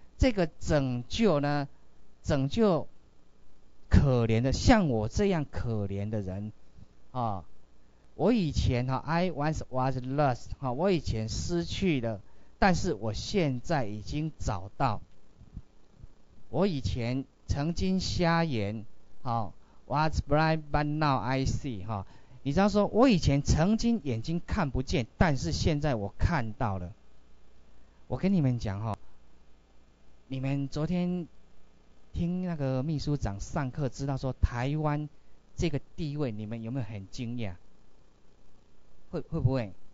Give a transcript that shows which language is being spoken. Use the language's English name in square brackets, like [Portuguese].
[Chinese] 这个拯救呢，拯救可怜的像我这样可怜的人啊、哦！我以前哈、哦、， [English] I once was lost [Chinese] 哈、哦，我以前失去了，但是我现在已经找到。我以前曾经瞎眼，好、哦、， [English] was blind but now I see [Chinese] 哈、哦。你知道说，我以前曾经眼睛看不见，但是现在我看到了。我跟你们讲哈。哦，你们昨天听那个秘书长上课，知道说台湾这个地位，你们有没有很惊讶？会不会？